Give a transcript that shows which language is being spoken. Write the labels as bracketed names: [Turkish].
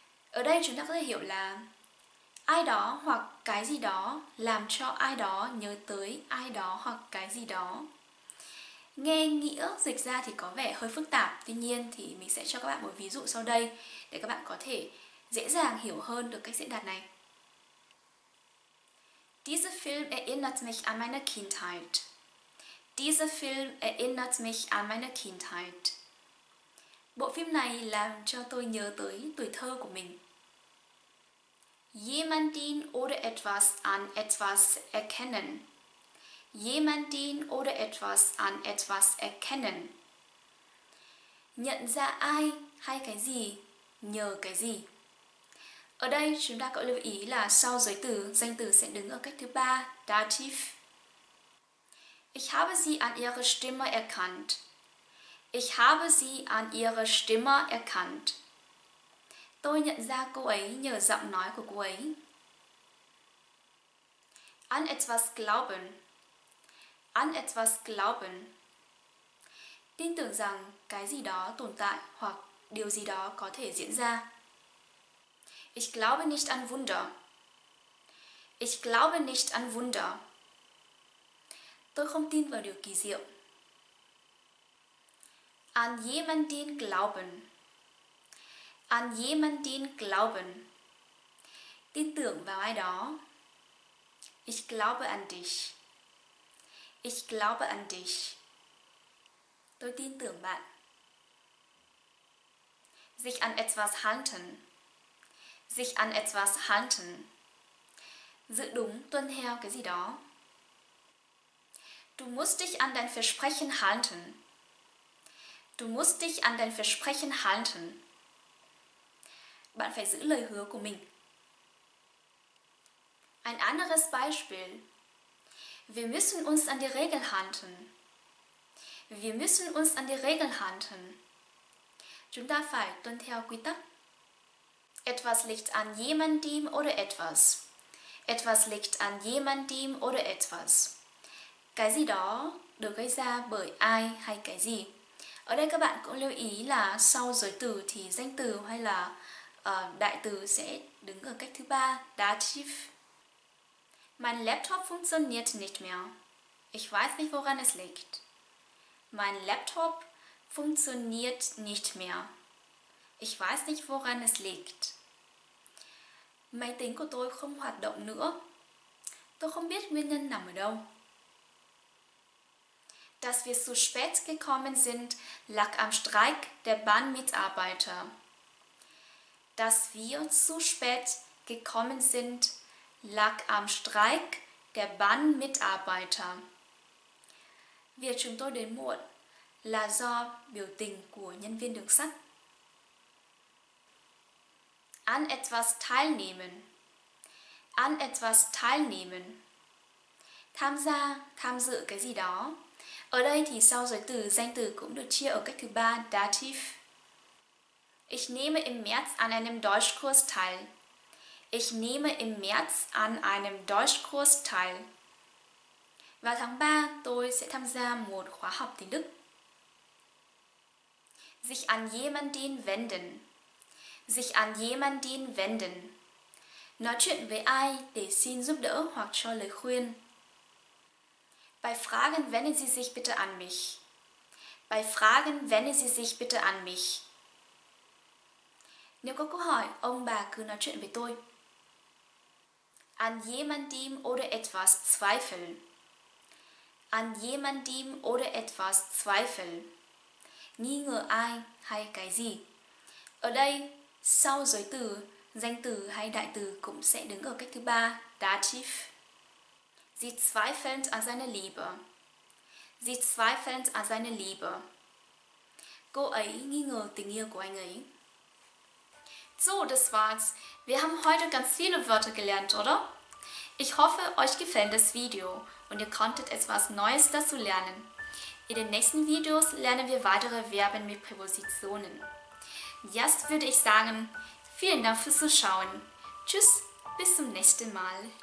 [Vietnamese] Ở đây chúng ta có thể hiểu là ai đó hoặc cái gì đó làm cho ai đó nhớ tới ai đó hoặc cái gì đó. Nghe nghĩa dịch ra thì có vẻ hơi phức tạp, tuy nhiên thì mình sẽ cho các bạn một ví dụ sau đây để các bạn có thể dễ dàng hiểu hơn được cách diễn đạt này. [German] Dieser Film erinnert mich an meine Kindheit. Dieser Film erinnert mich an meine Kindheit. [Vietnamese] Bộ phim này làm cho tôi nhớ tới tuổi thơ của mình. [German] jemanden oder etwas an etwas erkennen. Jemanden oder etwas an etwas erkennen. [Vietnamese] Nhận ra ai hay cái gì, nhờ cái gì. Ở đây chúng ta có lưu ý là sau giới từ, danh từ sẽ đứng ở cách thứ ba, Dativ. [German] Ich habe sie an ihrer Stimme erkannt. Ich habe sie an ihrer Stimme erkannt. [Vietnamese] Tôi nhận ra cô ấy nhờ giọng nói của cô ấy. [German] An etwas glauben. An etwas glauben. [Vietnamese] Tin tưởng rằng cái gì đó tồn tại hoặc điều gì đó có thể diễn ra. [German] Ich glaube nicht an Wunder. Ich glaube nicht an Wunder. [Vietnamese] Tôi không tin vào điều kỳ diệu. [German] An jemanden glauben. An jemanden glauben. [Vietnamese] Tin tưởng vào ai đó. [German] Ich glaube an dich. Ich glaube an dich. [Vietnamese] Tôi tin tưởng bạn. [German] Sich an etwas halten. Sich an etwas halten. [Vietnamese] Giữ đúng, tuân theo cái gì đó. [German] Du musst dich an dein Versprechen halten. Du musst dich an dein Versprechen halten. [Vietnamese] Bạn phải giữ lời hứa của mình. [German] Ein anderes Beispiel. Wir müssen uns an die Regeln halten. Wir müssen uns an die Regeln halten. [Vietnamese] Chúng ta phải tuân theo quy tắc. [German] Etwas liegt an jemandem oder etwas. Etwas liegt an jemandem oder etwas. [Vietnamese] Cái gì đó được gây ra bởi ai hay cái gì? Ở đây các bạn cũng lưu ý là sau giới từ thì danh từ hay là đại từ sẽ đứng ở cách thứ ba, Dativ. [German] Mein Laptop funktioniert nicht mehr. Ich weiß nicht, woran es liegt. Mein Laptop funktioniert nicht mehr. Ich weiß nicht, woran es liegt. [Vietnamese] Máy tính của tôi không hoạt động nữa. Tôi không biết nguyên nhân nằm ở đâu. [German] Dass wir zu spät gekommen sind, lag am Streik der Bahnmitarbeiter. Dass wir zu spät gekommen sind, lag am Streik der Bahnmitarbeiter. [Vietnamese] Việc chúng tôi đến muộn là do biểu tình của nhân viên đường sắt. [German] An etwas teilnehmen. An etwas teilnehmen. [Vietnamese] Tham gia, tham dự cái gì đó. Ở đây thì sau giới từ, danh từ cũng được chia ở cách thứ ba, Dativ. [German] Ich nehme im März an einem Deutschkurs teil. Ich nehme im März an einem Deutschkurs teil. [Vietnamese] Vào tháng 3, tôi sẽ tham gia một khóa học tiếng Đức. [German] Sich an jemanden wenden. Sich an jemanden wenden. [Vietnamese] Nói chuyện với ai để xin giúp đỡ hoặc cho lời khuyên. [German] Bei Fragen wenden Sie sich bitte an mich. Bei Fragen wenden Sie sich bitte an mich. [Vietnamese] Nếu có câu hỏi, ông bà cứ nói chuyện với tôi. [German] An jemandem oder etwas zweifeln. An jemandem oder etwas zweifeln. [Vietnamese] Nghi ngờ ai hay cái gì. Ở đây, sau giới từ, danh từ hay đại từ cũng sẽ đứng ở cách thứ ba, Dativ. [German] Sie zweifeln an seiner Liebe. Sie zweifeln an seiner Liebe. [Vietnamese] Cô ấy nghi ngờ tình yêu của anh ấy. [German] So, das war's. Wir haben heute ganz viele Wörter gelernt, oder? Ich hoffe, euch gefällt das Video und ihr konntet etwas Neues dazu lernen. In den nächsten Videos lernen wir weitere Verben mit Präpositionen. Jetzt würde ich sagen, vielen Dank fürs Zuschauen. Tschüss, bis zum nächsten Mal.